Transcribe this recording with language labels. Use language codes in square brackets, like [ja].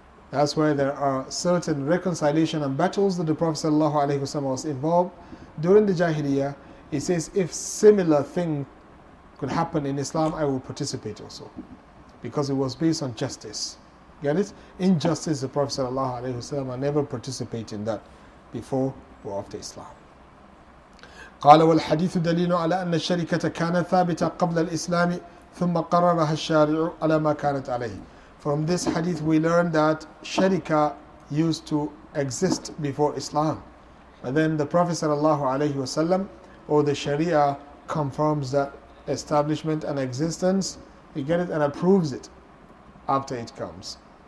[en] That's why there are certain reconciliation and battles that the Prophet sallallahu alaihi wasallam was involved during the Jahiliyyah. He says, if similar thing could happen in Islam, I will participate also, because it was based on justice. Get it? Injustice, the Prophet sallallahu alaihi wasallam never participated in that before or after Islam. [ar] قال والحديث دليل على أن الشركة كانت ثابتة قبل الإسلام ثم قررها الشارع على ما كانت عليه. [en] From this hadith we learn that sharika used to exist before Islam, but then the Prophet sallallahu alaihi wasallam or the Sharia confirms that establishment and existence, you get it, and approves it after it comes.